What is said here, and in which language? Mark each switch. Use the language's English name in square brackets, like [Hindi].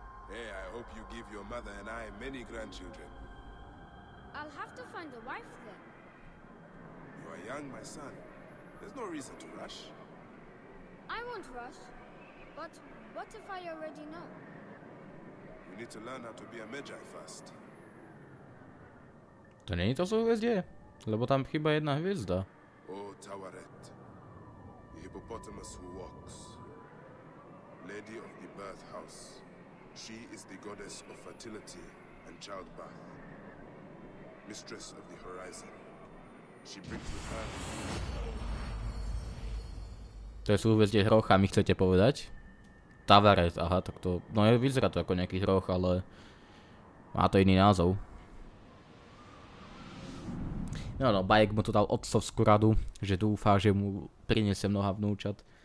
[English] Hey, I hope you give your mother and I many grandchildren. I'll have to find a wife then. You are young, my son. There's no reason to rush. I won't rush. But what if I already know? You need to learn how to be a Magi first. [Slovak] To není to súhviezdie, lebo tam chýba jedna hviezda. [English] Oh, Tawaret, the hippopotamus who walks, lady of the birth house. She is the goddess of fertility and childbirth, mistress of the horizon. She brings with her. [Slovak] To je súhviezdie Hrocha, mi chcete povedať? Tavaret, aha, tak to, no je, vyzerá to ako nejaký hroch, ale má to iný názov. No, no, Bajek mu to dal otcovskú radu, že dúfa, že mu priniesie mnoha vnúčat.